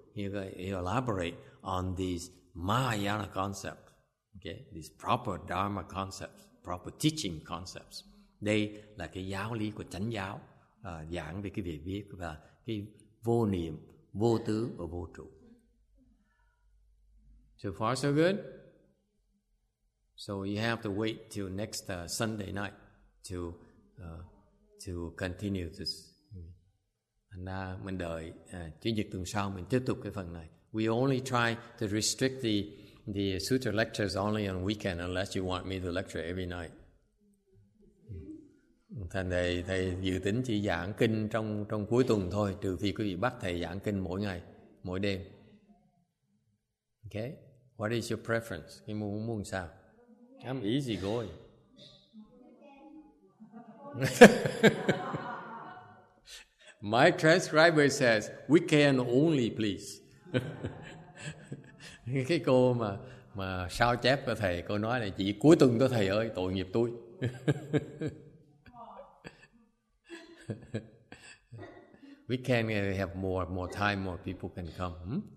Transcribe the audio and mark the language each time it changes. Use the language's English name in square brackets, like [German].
[English] He'll elaborate on these Mahayana concepts. Okay? These proper Dharma concepts, proper teaching concepts. [Vietnamese] Đây là cái giáo lý của chánh giáo, giảng về cái việc biết và cái vô niệm, vô tướng và vô trụ. [English] So far so good? So you have to wait till next Sunday night to continue this. [Vietnamese] And mình đợi Chủ nhật tuần sau mình tiếp tục cái phần này. [English] We only try to restrict the sutra lectures only on weekend unless you want me to lecture every night. [Vietnamese] Thành thầy dự tính chỉ giảng kinh trong cuối tuần thôi, trừ khi quý vị bắt thầy giảng kinh mỗi ngày, mỗi đêm. [English] Okay? What is your preference? [Vietnamese] Em muốn sao? [English] I'm easy going. My transcriber says, weekend only, please. [Vietnamese] Cái cô mà sao chép cho thầy, cô nói là chỉ cuối tuần thôi thầy ơi, tội nghiệp tôi. [English] We can have more time, more people can come.